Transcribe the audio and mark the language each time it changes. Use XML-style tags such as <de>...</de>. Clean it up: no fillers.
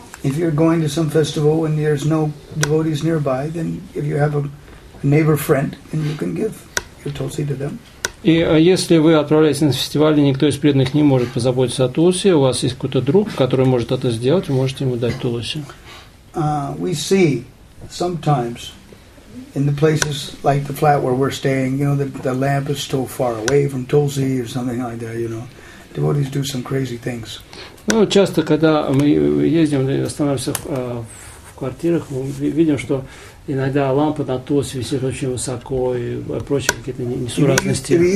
<en>If you're going to some festival and there's no devotees nearby, then if you have a neighbor friend, and you can give your Tulsi to them.</en> <ru>И если вы отправляетесь на фестиваль, и никто из преданных не может позаботиться о Тулсе, у вас есть какой-то друг, который может это сделать, вы можете ему дать Тулсе.</ru> <en>We see sometimes in the places like the flat where we're staying, you know, the lamp is still far away from Tulsi or something like that, you know. Devotees do some crazy things.</en> <ru>Ну, часто, когда мы ездим, останавливаемся в квартирах, мы видим, что иногда лампа на Тулсе висит очень высоко и прочие какие-то несуразности.</ru>